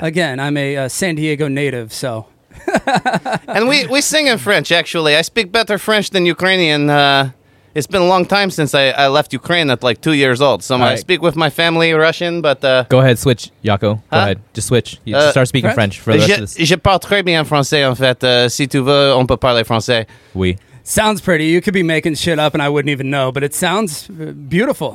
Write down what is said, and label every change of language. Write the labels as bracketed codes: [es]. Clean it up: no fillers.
[en] Again, I'm a San Diego native, so... And we sing in French, actually. I speak better French than Ukrainian. It's been a long time since I left Ukraine at like 2 years old. So I speak with my family Russian, but... Go ahead, switch, Yako. Go ahead. Just switch. Just start speaking French for the rest of this. [fr] Je parle très bien français, en fait. Si tu veux, on peut parler français. Oui. [en] Sounds pretty. You could be making shit up and I wouldn't even know, but it sounds beautiful.